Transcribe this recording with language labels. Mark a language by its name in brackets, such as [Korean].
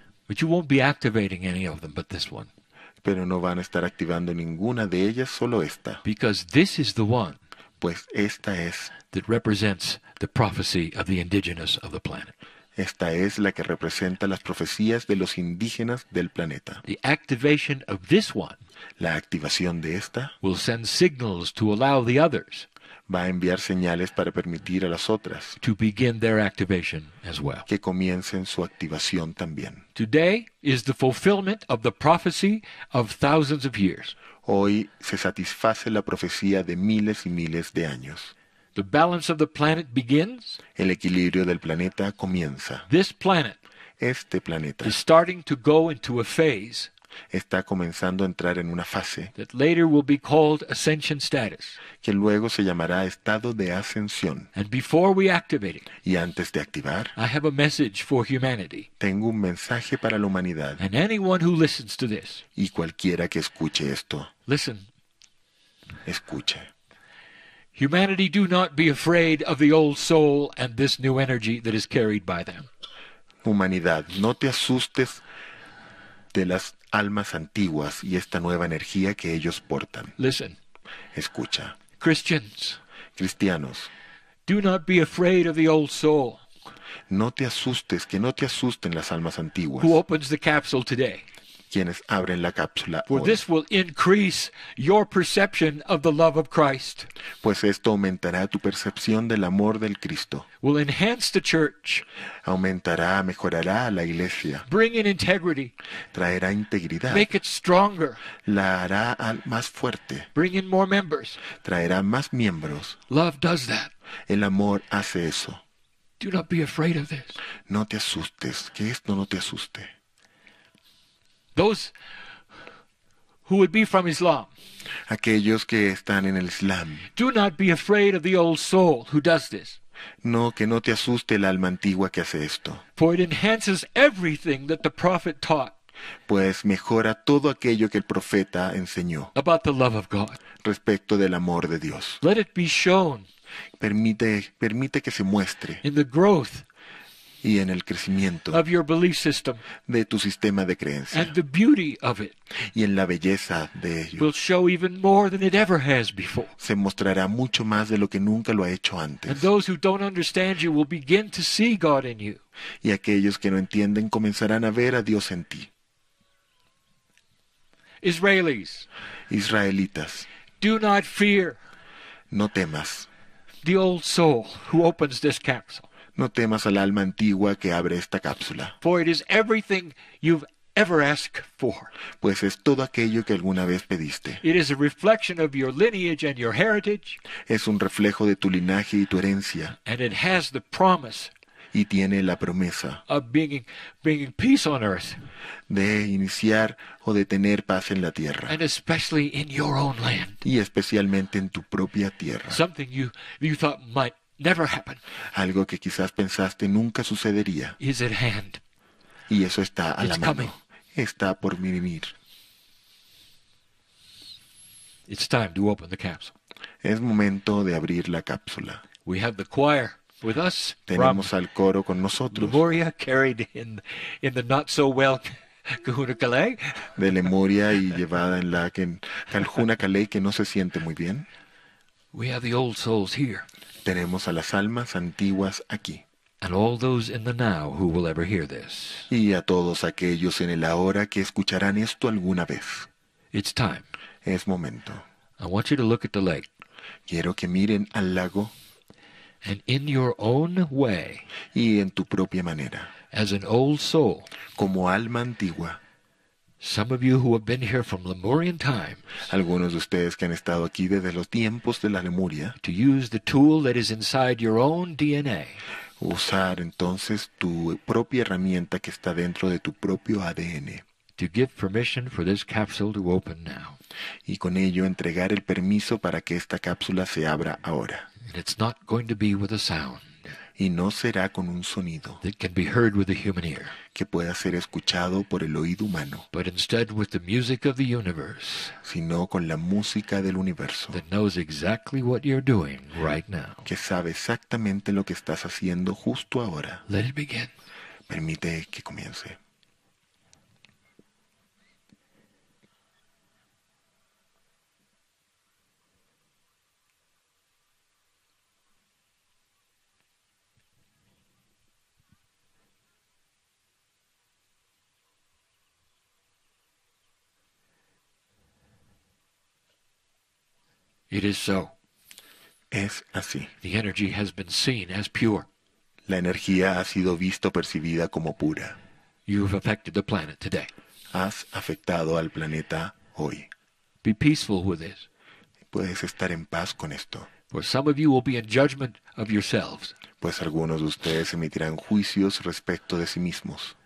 [English] But you won't be activating any of them but this one. [Spanish] Pero no van a estar activando ninguna de ellas, solo esta. [English] Because this is the one. [Spanish] Pues esta es. [English] That represents the prophecy of the indigenous of the planet. [Spanish] Esta es la que representa las profecías de los indígenas del planeta. [English] The activation of this one. [Spanish] La activación de esta [English] will send signals to allow the others [Spanish] va a enviar señales para permitir a las otras [English] to begin their activation as well. [Spanish] Que comiencen su activación también. [English] Today is the fulfillment of the prophecy of thousands of years. [Spanish] Hoy se satisface la profecía de miles y miles de años. [English] The balance of the planet begins. [Spanish] El equilibrio del planeta comienza. [English] This planet [Spanish] este planeta [English] is starting to go into a phase [Spanish] está comenzando a entrar en una fase [English] that later will be called ascension status. [Spanish] Que luego se llamará estado de ascensión. [English] And before we activate it, [Spanish] y antes de activar, [English] I have a message for humanity. [Spanish] Tengo un mensaje para la humanidad. [English] And anyone who listens to this, [Spanish] y cualquiera que escuche esto, [English] listen, [Spanish] escuche. [English] Humanity, do not be afraid of the old soul and this new energy that is carried by them. [Spanish] Humanidad, no te asustes de las almas antiguas y esta nueva energía que ellos portan. [English] Listen. [Spanish] Escucha. [English] Christians. [Spanish] Cristianos. [English] Do not be afraid of the old soul. [Spanish] No te asustes, que no te asusten las almas antiguas. [English] Who opens the capsule today? [Spanish] Quienes abren la cápsula hoy. [English] For this will increase your perception of the love of Christ. [Spanish] Pues esto aumentará tu percepción del amor del Cristo. [English] Will enhance the church. [Spanish] Aumentará, mejorará a la iglesia. [English] Bring in integrity. [Spanish] Traerá integridad. [English] Make it stronger. [Spanish] La hará más fuerte. [English] Bring in more members. [Spanish] Traerá más miembros. [English] Love does that. [Spanish] El amor hace eso. [English] Do not be afraid of this. [Spanish] No te asustes, que esto no te asuste. [English] Those who would be from Islam. [Spanish] Aquellos que están en el Islam. [English] Do not be afraid of the old soul who does this. [Spanish] No, que no te asuste el alma antigua que hace esto. [English] For it enhances everything that the prophet taught. [Spanish] Pues mejora todo aquello que el profeta enseñó. [English] About the love of God. [Spanish] Respecto del amor de Dios. [English] Let it be shown. [Spanish] Permite que se muestre. [English] In the growth. [Spanish] Y en el crecimiento [English] of your belief system, [Spanish] de tu sistema de creencia [English] and the beauty of it, [Spanish] y en la belleza de ello [English] will show even more than it ever has before. [Spanish] Se mostrará mucho más de lo que nunca lo ha hecho antes. Y aquellos que no entienden comenzarán a ver a Dios en ti. [English] Israelis, [Spanish] israelitas, [English] do not fear [Spanish] no temas [English] the old soul who opens this capsule. [Spanish] No temas al alma antigua que abre esta cápsula. [English] For it is everything you've ever asked for. [Spanish] Pues es todo aquello que alguna vez pediste. [English] It is a reflection of your lineage and your heritage. [Spanish] Es un reflejo de tu linaje y tu herencia. [English] And it has the promise. [Spanish] Y tiene la promesa. [English] Of bringing peace on earth. [Spanish] De iniciar o de tener paz en la tierra. [English] And especially in your own land. [Spanish] Y especialmente en tu propia tierra. [English] Something you thought might never happen. [Spanish] Algo que quizás pensaste nunca sucedería. [English] Is at hand. [Spanish] Y eso está a [English] It's [Spanish] la mano. [English] Coming. [Spanish] Está por venir. [English] It's time to open the capsule. [Spanish] Es momento de abrir la cápsula. [English] We have the choir with us. [Spanish] Tenemos al coro con nosotros. [English] Lemuria carried in the not so well Kahuna Kalei. [Spanish] De Lemuria y llevada en la Kahuna Kalei que no se siente muy bien. [English] We have the old souls here. [Spanish] Tenemos a las almas antiguas aquí. [English] And all those in the now who will ever hear this. [Spanish] Y a todos aquellos en el ahora que escucharán esto alguna vez. [English] It's time. [Spanish] Es momento. [English] I want you to look at the lake. [Spanish] Quiero que miren al lago. [English] And in your own way. [Spanish] Y en tu propia manera. [English] As an old soul. [Spanish] Como alma antigua. [English] Some of you who have been here from Lemurian times. [Spanish] Algunos de ustedes que han estado aquí desde los tiempos de la Lemuria. [English] To use the tool that is inside your own DNA. [Spanish] Usar entonces tu propia herramienta que está dentro de tu propio ADN. [English] To give permission for this capsule to open now. [Spanish] Y con ello entregar el permiso para que esta cápsula se abra ahora. [English] And it's not going to be with a sound. [Spanish] Y no será con un sonido [English] that can be heard with the human ear. [Spanish] Que pueda ser escuchado por el oído humano. [English] But instead with the music of the universe. [Spanish] Sino con la música del universo. [English] That knows exactly what you're doing right now. [Spanish] Que sabe exactamente lo que estás haciendo justo ahora. [English] Let it begin. [Spanish] Permite que comience. [English] It is so. [Spanish] Es así. [English] The energy has been seen as pure. [Spanish] La energía ha sido visto percibida como pura. [English] You've affected the planet today. [Spanish] Has afectado al planeta hoy. [English] Be peaceful with this. [Spanish] Puedes estar en paz con esto. [English] For some of you will be in judgment of yourselves. [Spanish] Pues algunos de ustedes emitirán juicios respecto de sí mismos.